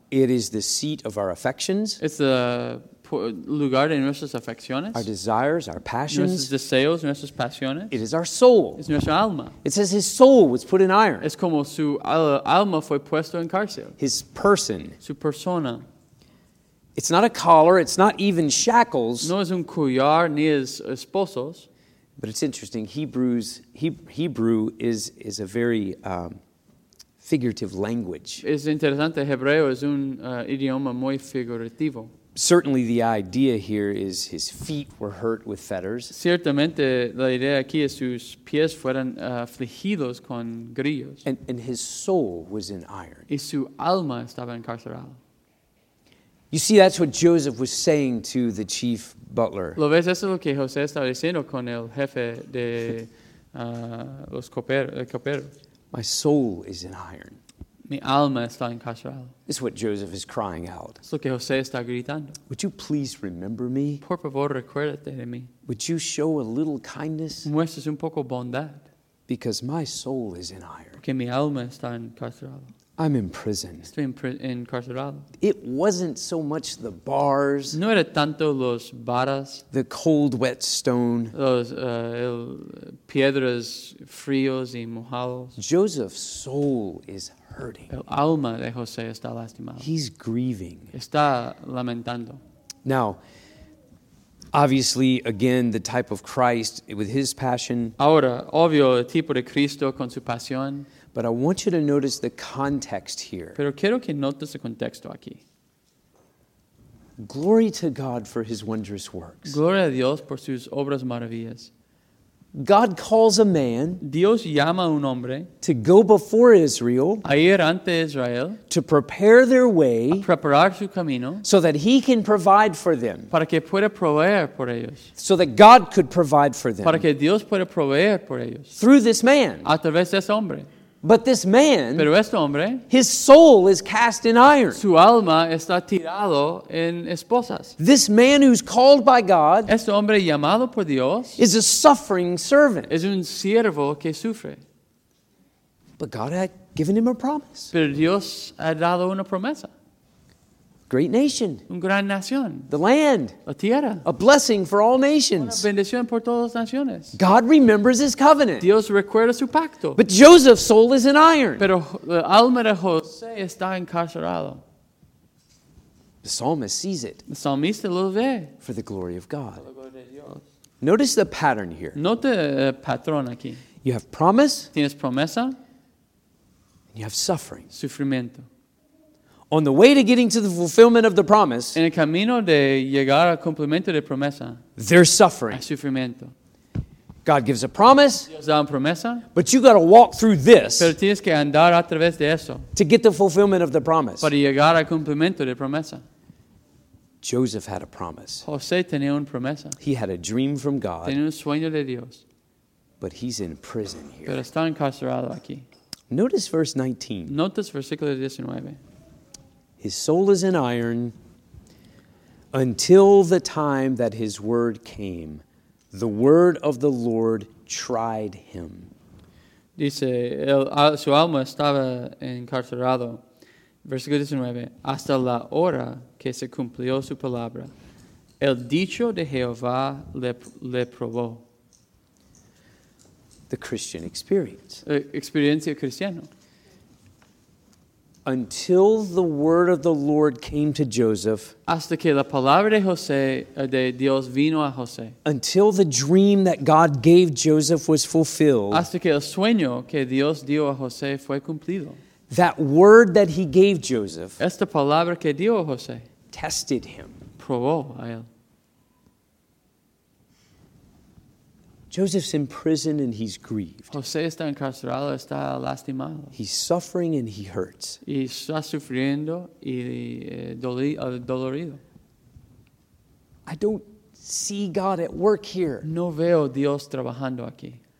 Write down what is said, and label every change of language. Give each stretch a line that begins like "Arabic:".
English: It is the seat of our affections. It's the
Spanish: lugar de nuestras afecciones.
English: Our desires, our passions.
Spanish: Nuestros deseos, nuestras pasiones.
English: It is our soul.
Spanish: Es nuestra alma.
English: It says his soul was put in iron.
Spanish: Es como su alma fue puesto en cárcel.
English: His person.
Spanish: Su persona.
English: It's not a collar. It's not even shackles.
Spanish: No es un collar ni es esposos.
English: But it's interesting. Hebrew is a very figurative language.
Spanish: Es interesante, hebreo es un idioma muy figurativo.
English: Certainly the idea here is his feet were hurt with fetters.
Spanish: Ciertamente la idea aquí es sus pies fueron afligidos con grillos.
English: And his soul was in iron.
Spanish: Y su alma estaba encarcelada.
English: You see, that's what Joseph was saying to the chief butler.
Spanish: Lo ves, eso es lo que José estaba diciendo con el jefe de los coperos.
English: My soul is in iron.
Spanish: Mi alma está encarcelada.
English: This is what Joseph is crying out.
Spanish: Es lo que José está gritando.
English: Would you please remember me?
Spanish: Por favor, recuérdate de mí.
English: Would you show a little kindness?
Spanish: Muestras un poco bondad.
English: Because my soul is in iron.
Spanish: Porque mi alma está encarcelada.
English: I'm in prison.
Spanish: Estoy encarcelado.
English: It wasn't so much the bars.
Spanish: No era tanto los varas.
English: The cold, wet stone.
Spanish: Los piedras fríos y mojados.
English: Joseph's soul is hurting.
Spanish: El alma de José está lastimado.
English: He's grieving.
Spanish: Está lamentando.
English: Now, obviously, again, the type of Christ with his passion.
Spanish: Ahora, obvio, el tipo de Cristo con su pasión.
English: But I want you to notice the context here.
Spanish: Pero quiero que notes el contexto aquí.
English: Glory to God for his wondrous works.
Spanish: Gloria a Dios por sus obras maravillas.
English: God calls a man.
Spanish: Dios llama a un hombre.
English: To go before Israel.
Spanish: A ir ante Israel.
English: To prepare their way.
Spanish: A preparar su camino.
English: So that he can provide for them.
Spanish: Para que pueda proveer por ellos.
English: So that God could provide for them.
Spanish: Para que Dios pueda proveer por ellos.
English: Through this man.
Spanish: A través de ese hombre.
English: But this man,
Spanish: pero este hombre,
English: his soul is cast in iron.
Spanish: Su alma está tirado en esposas.
English: This man who's called by God,
Spanish: este hombre llamado por Dios,
English: is a suffering servant.
Spanish: Es un siervo que sufre.
English: But God had given him a promise.
Spanish: Pero Dios ha dado una promesa.
English: Great nation.
Spanish: Un gran nación.
English: The land.
Spanish: La tierra.
English: A blessing for all nations.
Spanish: Una bendición por todas las naciones.
English: God remembers his covenant.
Spanish: Dios recuerda su pacto.
English: But Joseph's soul is in iron.
Spanish: Pero el alma de José está encarcelado.
English: The psalmist sees it.
Spanish: El salmista lo ve.
English: For the glory of God. Notice the pattern here.
Spanish: Note el patrón aquí.
English: You have promise.
Spanish: Tienes promesa.
English: And you have suffering.
Spanish: Sufrimiento.
English: On the way to getting to the fulfillment of the promise,
Spanish: en el camino de llegar al cumplimiento de promesa,
English: there's suffering.
Spanish: Hay sufrimiento.
English: God gives a promise,
Spanish: Dios da una promesa,
English: but you got to walk through this,
Spanish: pero tienes que andar a través de eso,
English: to get the fulfillment of the promise.
Spanish: Para llegar al cumplimiento de promesa.
English: Joseph had a promise.
Spanish: José tenía una promesa.
English: He had a dream from God.
Spanish: Tenía un sueño de Dios.
English: But he's in prison here.
Spanish: Pero está encarcelado aquí.
English: Notice verse 19.
Spanish: Notas versículo 19.
English: His soul is in iron until the time that his word came. The word of the Lord tried him.
Spanish: Dice, su alma estaba encarcelado. Versículo 19. Hasta la hora que se cumplió su palabra, el dicho de Jehová le probó.
English: The Christian experience.
Spanish: Experiencia cristiana.
English: Until the word of the Lord came to Joseph.
Spanish: Hasta que la palabra de José, de Dios vino a José.
English: Until the dream that God gave Joseph was fulfilled.
Spanish: Hasta que el sueño que Dios dio a José fue cumplido.
English: That word that he gave Joseph.
Spanish: Esta palabra que dio a José.
English: Tested him.
Spanish: Probó a él.
English: Joseph's in prison and he's grieved.
Spanish: José está encarcelado, está lastimado.
English: He's suffering and he hurts.
Spanish: Y está sufriendo y dolorido.
English: I don't see God at work here.
Spanish: No veo Dios trabajando aquí.